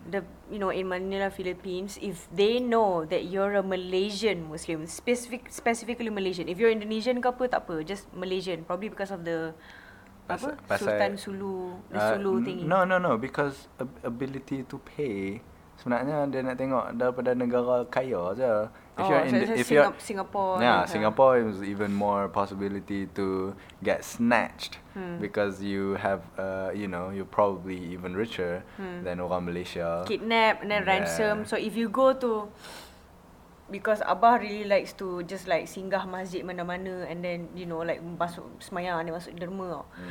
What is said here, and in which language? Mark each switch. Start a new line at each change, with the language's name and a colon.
English: The, you know, in Manila, Philippines, if they know that you're a Malaysian Muslim, specifically Malaysian, if you're Indonesian
Malay: ke apa, tak apa,
English: just Malaysian, probably because of the Sultan Sulu thingy. No, because ability to pay
Malay: sebenarnya dia nak tengok daripada negara kaya saja.
English: If oh, you're in so if you're Singapore. Yeah, yeah, Singapore is even more possibility to get snatched because you have you know, you're probably even richer than
Malay: orang Malaysia.
English: Kidnap and then ransom. So if you go to, because Abah really likes to just like
Malay: singgah masjid mana-mana
English: and then, you know, like
Malay: masuk semayang
English: and
Malay: masuk derma.